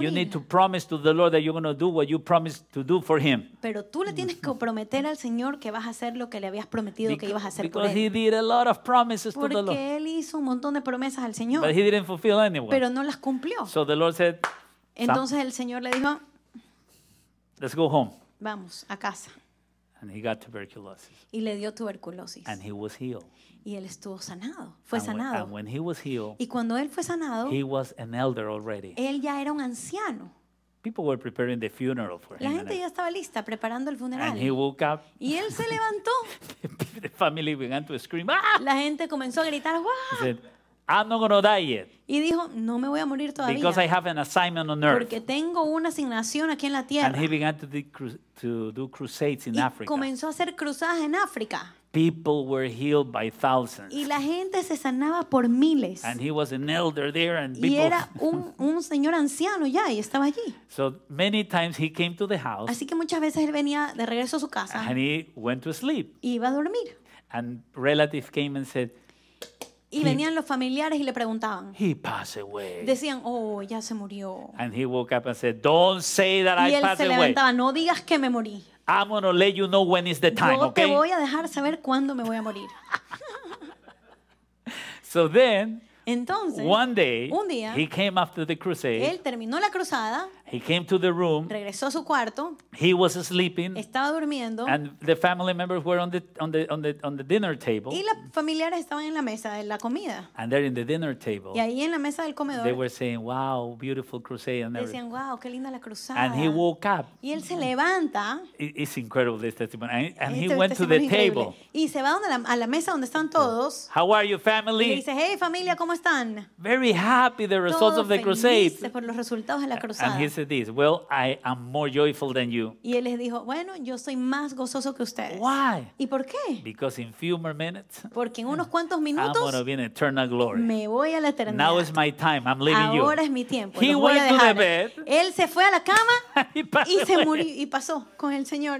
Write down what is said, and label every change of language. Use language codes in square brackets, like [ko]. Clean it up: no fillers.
[en] But you need to promise to the Lord that you're going to do what you promised to do for him. [es] Pero tú le tienes que prometer al Señor que vas a hacer lo que le habías prometido que ibas a hacer por él. [en] Because he did a lot of promises to the Lord. [es] Porque él hizo un montón de promesas al Señor. [en] But he didn't fulfill anyone. [es] Pero no las cumplió. [en] So the Lord said, [es] entonces el Señor le dijo, [en] "Let's go home." [es] Vamos a casa. [en] And he got tuberculosis. [es] Y le dio tuberculosis. [en] And he was healed. [es] Y él estuvo sanado. Fue sanado. [en] And when he was healed, [es] y cuando él fue sanado, [en] he was an elder already. [es] Él ya era un anciano. [en] People were preparing the funeral for him. [es] La gente ya estaba lista preparando el funeral. [en] And he woke up. [es] Y él se levantó. [en] The family began to scream. Ah! [es] La gente comenzó a gritar. ¡Wow! [en] He said, "I'm not going to die yet." [es] Y dijo, no me voy a morir todavía. [en] Because I have an assignment on earth. [es] Porque tengo una asignación aquí en la tierra. [en] And he began to do crusades in [es] y [en] Africa. [es] Y comenzó a hacer cruzadas en África. [en] People were healed by thousands. [es] Y la gente se sanaba por miles. [en] And he was an elder there and people. [es] Y era un señor anciano ya y estaba allí. [en] So many times he came to the house. [es] Así que muchas veces él venía de regreso a su casa. [en] And he went to sleep. [es] Y iba a dormir. [en] And relatives came and said, [es] y venían los familiares y le preguntaban. [en] He passed away. [es] Decían, oh, ya se murió. [en] And he woke up and said, "Don't say that I passed away." [es] Y él se levantaba, no digas que me morí. [en] I'm going to let you know when is the time, okay? [es] Yo te voy a dejar saber cuándo me voy a morir. [en] So then, [es] entonces, [en] one day, [es] un día, [en] he came after the crusade. [es] Él terminó la cruzada. [en] He came to the room. [es] Regresó a su cuarto. [en] He was sleeping. [es] Estaba durmiendo. [en] And the family members were on the dinner table. [es] Y los familiares estaban en la mesa de la comida. [en] And they're in the dinner table. [es] Y ahí en la mesa del comedor. [en] They were saying, "Wow, beautiful crusade." And [es] decían, "Wow, qué linda la cruzada." [en] And he woke up. [es] Y él se levanta. [en] It's incredible this testimony. And he went to the table. [es] Y se va a la mesa donde están todos. [en] How are you, family? [es] Y dice, "Hey, familia, ¿cómo están?" [en] Very happy the results [es] todos [en] of the crusade. [es] Por los resultados de la cruzada. [en] And this, "Well, I am more joyful than you." [es] Y él les dijo, bueno, yo soy más gozoso que ustedes. [en] Why? [es] ¿Y por qué? [en] Because in few more minutes, [es] porque en unos cuantos minutos, [en] I'm going to be in eternal glory. [es] Me voy a la eternidad. [en] Now is my time. I'm leaving [es] ahora [en] you. [es] Ahora es mi tiempo. [en] He [es] los [en] went [es] voy a dejar. [en] To the bed. [es] Él se fue a la cama y se murió y pasó con el Señor.